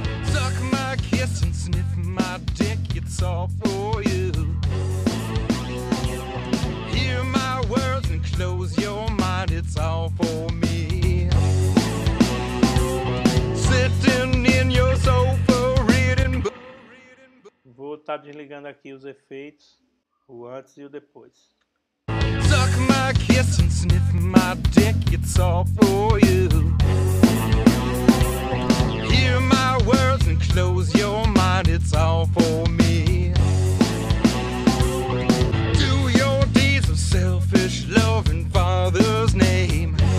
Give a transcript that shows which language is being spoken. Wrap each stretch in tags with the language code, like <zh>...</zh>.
<en>Suck my kiss and sniff my dick, it's all for you. Hear my words and close your mind, it's all for me. Sitting in your sofa, reading books.</en> <pt>Vou estar desligando aqui os efeitos, o antes e o depois.</pt> <en>Suck my kiss and sniff my dick, it's all for you. Hear my words and close your mind, it's all for me. Do your deeds of selfish love in Father's name.</en>